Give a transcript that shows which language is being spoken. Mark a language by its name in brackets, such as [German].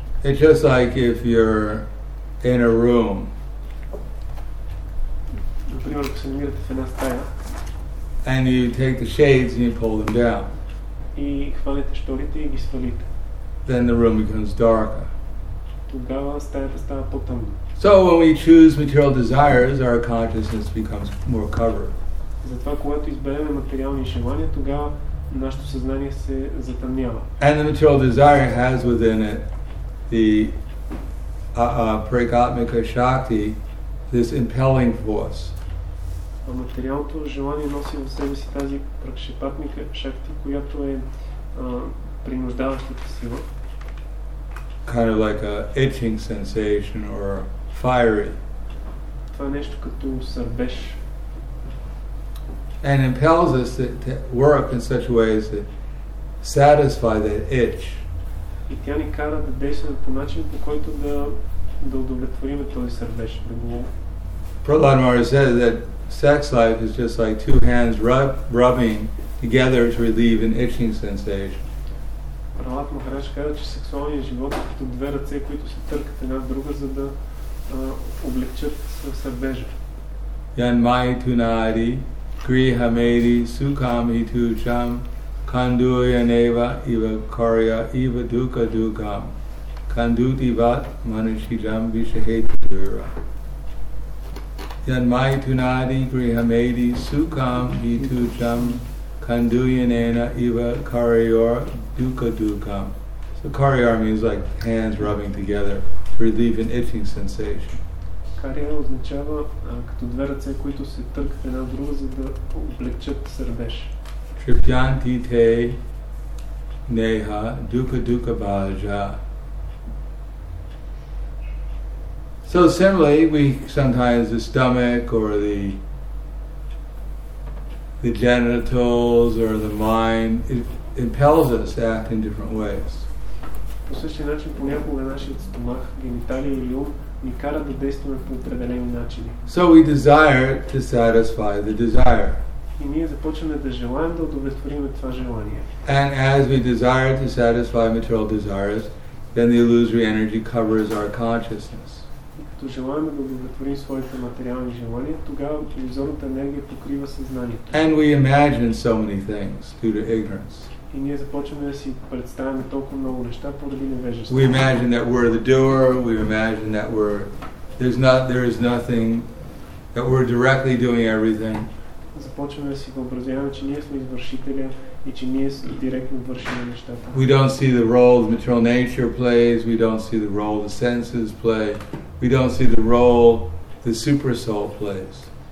[English] It's just like if you're in a room. [Bulgarian] Например, ако се намирате в една стая. [English] And you take the shades and you pull them down. [Bulgarian] И хванете шторите и ги свалите. [English] Then the room becomes darker. [Bulgarian] Тогава стаята става по-тъмна. [English] So when we choose material desires, our consciousness becomes more covered. [Bulgarian] Затова когато изберем материални желания, тогава нашето съзнание се затъмнява. [English] And the material desire has within it the pragatmika shakti, this impelling force. [Bulgarian] А материалното желание носи в себе си тази пракшепатмика шакти, която е принуждаващата сила. [English] Kind of like a itching sensation or fiery. [Bulgarian] Това е нещо като сърбеж. [English] And impels us to work in such a way as to satisfy that itch. [Bulgarian] И тя ни кара да действаме по начин, по който да удовлетвориме този сърбеж, да го. [English] Prahlada Maharaj says that sex life is just like two hands rubbing together to relieve an itching sensation. [Bulgarian] Prahlada Maharaj казва, че сексуалният живот е като две ръце, които се търкат една друга, за да облегчат сърбежа. [Sanskrit] Yan mai tu nari, griha meri, sukham hitu cham. Kanduya neva iva karya iva duka dukam kanduti vat manushijam vishahetura yan mai tunadi grihamedi sukam hitujam kanduya nena iva karyor duka dukam. [English] So karyor means like hands rubbing together to relieve an itching sensation. [Bulgarian] Karyor означава като две ръце, които се търкат една друга, за да облегчат сърбеж. [Sanskrit] Kripyanti te neha duka duka bhaja. [English] So similarly, we sometimes the stomach or the genitals or the mind, it impels us to act in different ways. [Bulgarian] По същия начин понякога нашият стомах, гениталия или ум ни кара да действаме по определени начини. [English] So we desire to satisfy the desire. [Bulgarian] И ние започваме да желаем да удовлетворим това желание. [English] And as we desire to satisfy material desires, then the illusory energy covers our consciousness. [Bulgarian] като желаем да удовлетворим своите материални желания, тогава иллюзорната енергия покрива съзнанието. [English] And we imagine so many things due to ignorance. [Bulgarian] И ние започваме да си представяме толкова много неща поради невежество. [English] We imagine that we're the doer, we imagine that we're there is nothing that we're directly doing everything. [Bulgarian] Започваме да си въобразяваме, че ние сме извършителя и че ние директно вършим нещата. [English] We don't see the role the material nature plays, we don't see the role the senses play, we don't see the role the super soul plays.